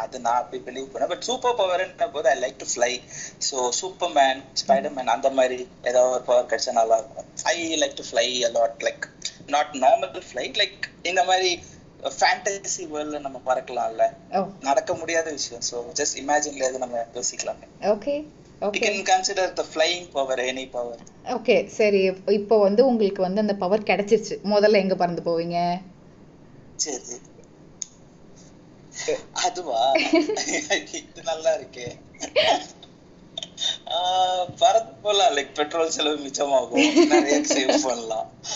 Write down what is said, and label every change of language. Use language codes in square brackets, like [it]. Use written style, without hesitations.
[ta] அது நான் அப்படி பிலீவ் பண்ணேன். பட் சூப்பர் பவர் போது [en] I like to fly. [ta] So super man, spider man அந்த மாதிரி ஏதாவது ஒரு பவர் கிடைச்சா நல்லா இருக்கும். [en] I like to fly a lot, like not normal flight, [ta] like இந்த மாதிரி ஃபேண்டசி வேர்ல்ட்ல நம்ம பறக்கலாம்ல, நடக்க முடியாத விஷயம். ஸோ ஜஸ்ட் இமேஜின்ல இருந்து நம்ம யோசிக்கலாம். [en] Okay. You can consider the flying power, any power. [ta] Okay, சரி, இப்போ வந்து உங்களுக்கு வந்து அந்த பவர் கிடைச்சிருச்சு, முதல்ல எங்க பறந்து போவீங்க? சரி, அதுவா, இது நல்லா இருக்கே. பறந்து போலாம், லைக் பெட்ரோல் செலவு மிச்சமாகும், நிறைய சேவ் பண்ணலாம்.